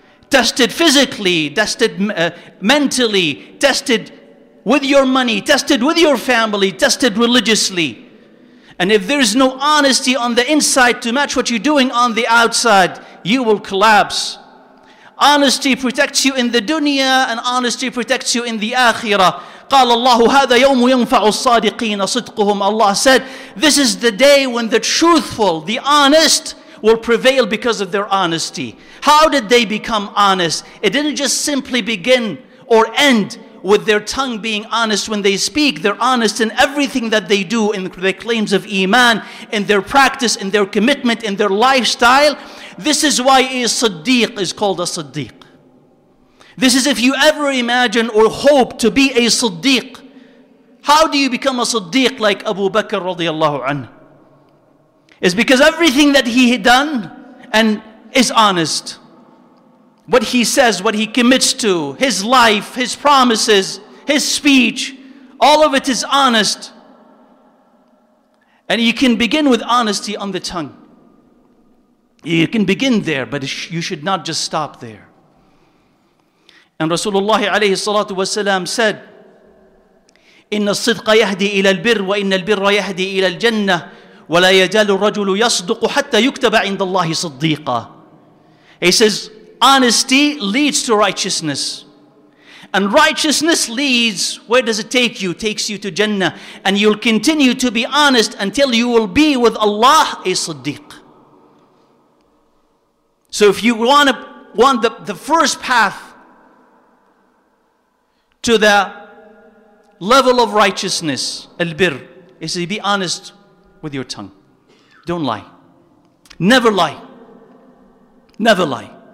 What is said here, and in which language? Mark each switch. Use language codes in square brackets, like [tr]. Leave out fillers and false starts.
[en] Tested physically, tested mentally, tested with your money, tested with your family, tested religiously. And if there is no honesty on the inside to match what you're doing on the outside, you will collapse. Honesty protects you in the dunya, and honesty protects you in the akhirah. [ar] قال الله هذا يوم ينفع الصادقين صدقهم. [en] Allah said, this is the day when the truthful, the honest, will prevail because of their honesty. How did they become honest? It didn't just simply begin or end with their tongue being honest when they speak. They're honest in everything that they do, in their claims of iman, in their practice, in their commitment, in their lifestyle. This is why a Siddiq is called a Siddiq. This is if you ever imagine or hope to be a Siddiq. How do you become a Siddiq like Abu Bakr radiallahu anhu? It's because everything that he had done and is honest. What he says, what he commits to, his life, his promises, his speech, All of it is honest. And you can begin with honesty on the tongue. You can begin there, but you should not just stop there. And Rasulullah alayhi salatu wasalam said, [ar] إِنَّ الصِّدْقَ يَهْدِي إِلَى الْبِرِّ وَإِنَّ الْبِرَّ يَهْدِي إِلَى الْجَنَّةِ وَلَا يَجَالُ الرَّجُلُ يَصْدُقُ حَتَّى يُكْتَبَ عِنْدَ اللَّهِ صِدِّيقًا. [en] He says, honesty leads to righteousness. And righteousness leads, where does it take you? Takes you to Jannah. And you'll continue to be honest until you will be with Allah, a Siddiq. So if you want the first path to the level of righteousness, al-bir, is to be honest with your tongue. Don't lie. Never lie. Never lie.